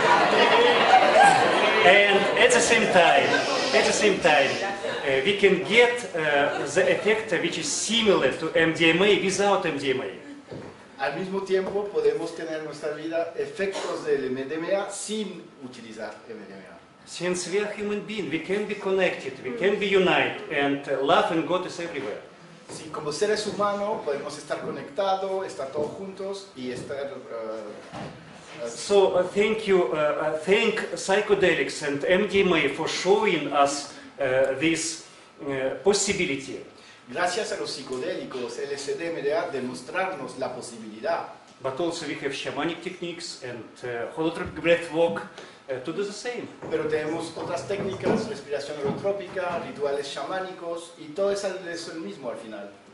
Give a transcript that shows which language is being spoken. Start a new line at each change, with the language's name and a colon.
English: And at the same time, we can get the effect which is similar to MDMA without MDMA.
Spanish: Al mismo tiempo, podemos tener en nuestra vida efectos del MDMA sin utilizar MDMA.
English: Since we are human beings, we can be connected, we can be united, and love and God is everywhere.
Spanish: Sí, como seres humanos podemos estar conectados, estar todos juntos y estar.
English: So thank you, thank psychedelics and MDMA for showing us this possibility.
Spanish: Gracias a los psicodélicos, LSD, MDMA, demostrarnos la posibilidad.
English: But also we have shamanic techniques and holotropic breathwork. To do the same.
Spanish: Pero tenemos otras técnicas, respiración holotrópica, rituales chamánicos, y todo es el mismo al final.